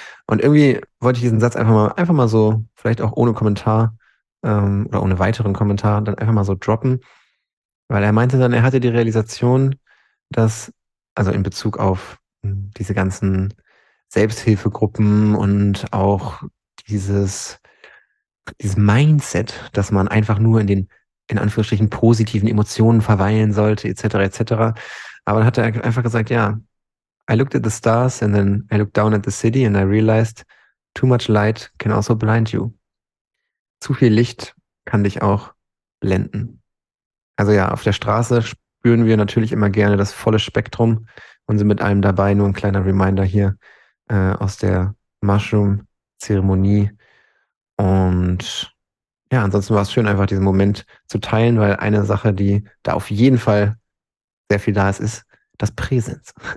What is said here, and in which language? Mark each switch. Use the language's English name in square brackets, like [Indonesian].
[German] Und irgendwie wollte ich diesen Satz einfach mal so, vielleicht auch ohne Kommentar oder ohne weiteren Kommentar, dann einfach mal so droppen, weil er meinte dann, er hatte die Realisation, dass, also in Bezug auf diese ganzen Selbsthilfegruppen und auch dieses Mindset, dass man einfach nur in den, in Anführungsstrichen, positiven Emotionen verweilen sollte, etc., etc. Aber dann hat er einfach gesagt, ja, [English] I looked at the stars and then I looked down at the city and I realized too much light can also blind you. [German] Zu viel Licht kann dich auch blenden. Also ja, auf der Straße spüren wir natürlich immer gerne das volle Spektrum und sind mit allem dabei. Nur ein kleiner Reminder hier aus der Mushroom-Zeremonie. Und ja, ansonsten war es schön, einfach diesen Moment zu teilen, weil eine Sache, die da auf jeden Fall sehr viel da ist, ist das Präsenz.